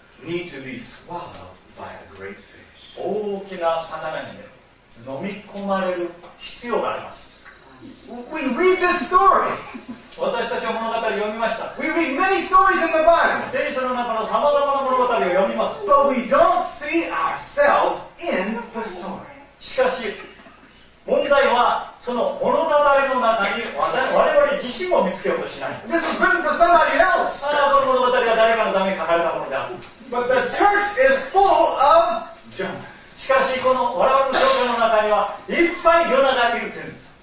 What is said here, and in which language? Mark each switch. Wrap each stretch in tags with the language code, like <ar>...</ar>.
<en>need to be swallowed by a great fish.</en> <ja>大きな魚に、ね、飲み込まれる必要があります。</ja> <en>We read this story.</en> <ja>私たちは物語を読みました。</ja> <en>We read many stories in the Bible.</en> <ja>聖書の中のさまざまな物語を読みます。</ja> <en>But we don't see ourselves in the story.</en> <ja>しかし問題はその物語の中に我々自身を見つけようとしない。</ja> <en>This is written for somebody else.</en> <ja>あの物語は誰かのために書かれたものである。</ja> <en>But the church is full of junk.</en> <ja>しかしこの我々の教会の中にはいっぱいヨナがいるというんです。</ja>